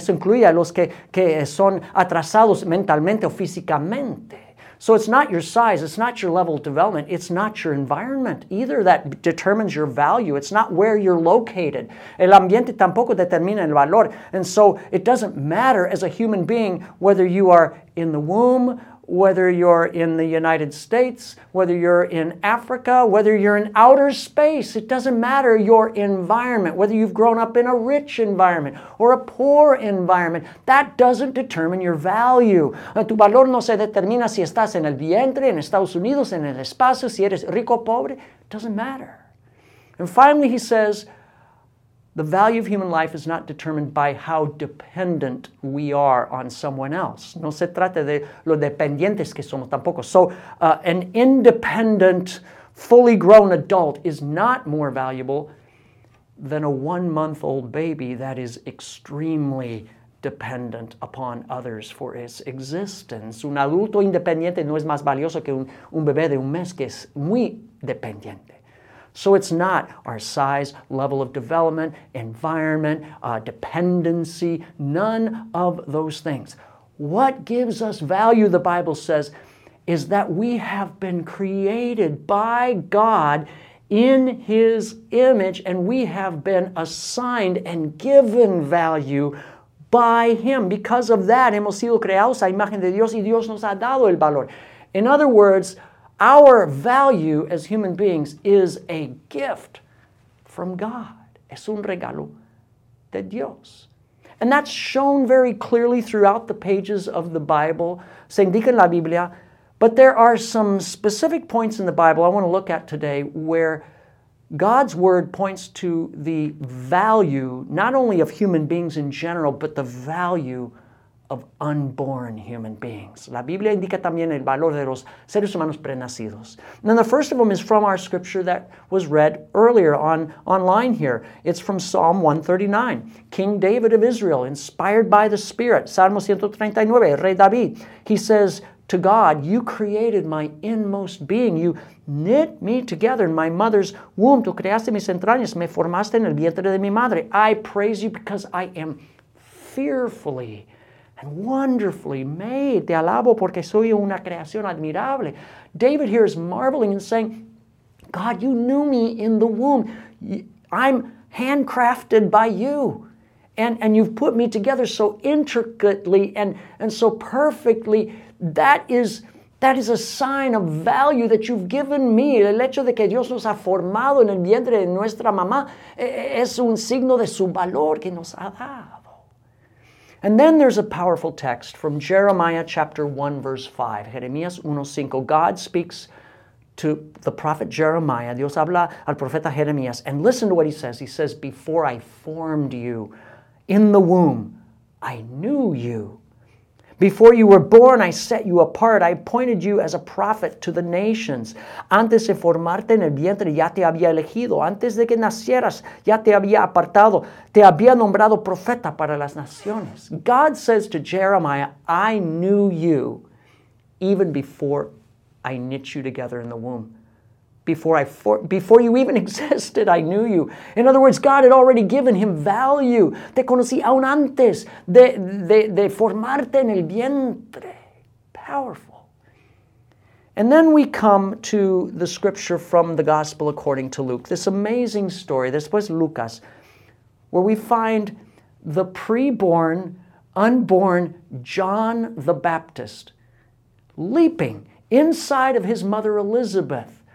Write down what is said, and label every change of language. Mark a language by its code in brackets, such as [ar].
[es] Eso incluye a los que son atrasados mentalmente o físicamente. [en] So it's not your size, it's not your level of development, it's not your environment either that determines your value. It's not where you're located. [es] El ambiente tampoco determina el valor. [en] And so it doesn't matter as a human being whether you are in the womb, whether you're in the United States, whether you're in Africa, whether you're in outer space. It doesn't matter your environment, whether you've grown up in a rich environment or a poor environment. That doesn't determine your value. [es] Tu valor no se determina si estás en el vientre, en Estados Unidos, en el espacio, si eres rico o pobre. [en] It doesn't matter. And finally, he says, the value of human life is not determined by how dependent we are on someone else. [es] No se trata de lo dependientes que somos tampoco. [en] So an independent, fully grown adult is not more valuable than a 1-month-old baby that is extremely dependent upon others for its existence. [es] Un adulto independiente no es más valioso que un bebé de 1 mes que es muy dependiente. [en] So it's not our size, level of development, environment, dependency, none of those things. What gives us value, the Bible says, is that we have been created by God in His image, and we have been assigned and given value by Him. Because of that, [es] hemos sido creados a imagen de Dios y Dios nos ha dado el valor. [en] In other words, our value as human beings is a gift from God. [es] Es un regalo de Dios. [en] And that's shown very clearly throughout the pages of the Bible, [es] se indica en la Biblia, [en] but there are some specific points in the Bible I want to look at today where God's word points to the value, not only of human beings in general, but the value of unborn human beings. [es] La Biblia indica también el valor de los seres humanos prenacidos. [en] Now the first of them is from our scripture that was read earlier online here. It's from Psalm 139, King David of Israel, inspired by the Spirit. [es] Salmo 139, Rey David. [en] He says to God, "You created my inmost being. You knit me together in my mother's womb. [es] Tú creaste mis entrañas. Me formaste en el vientre de mi madre. [en] I praise you because I am fearfully and wonderfully made. [es] Te alabo porque soy una creación admirable." [en] David here is marveling and saying, God, you knew me in the womb. I'm handcrafted by you. And you've put me together so intricately and so perfectly. That is a sign of value that you've given me. [es] El hecho de que Dios nos ha formado en el vientre de nuestra mamá es un signo de su valor que nos ha dado. [en] And then there's a powerful text from Jeremiah chapter 1, verse 5. Jeremías 1:5. God speaks to the prophet Jeremiah. [es] Dios habla al profeta Jeremías. [en] And listen to what he says. He says, "Before I formed you in the womb, I knew you. Before you were born, I set you apart. I appointed you as a prophet to the nations. [es] Antes de formarte en el vientre, ya te había elegido. Antes de que nacieras, ya te había apartado. Te había nombrado profeta para las naciones." [en] God says to Jeremiah, "I knew you even before I knit you together in the womb. Before you even existed, I knew you." In other words, God had already given him value. [es] Te conocí aún antes de formarte en el vientre. [en] Powerful. And then we come to the scripture from the Gospel according to Luke. This amazing story, this was Lucas, where we find the preborn, unborn John the Baptist leaping inside of his mother Elizabeth.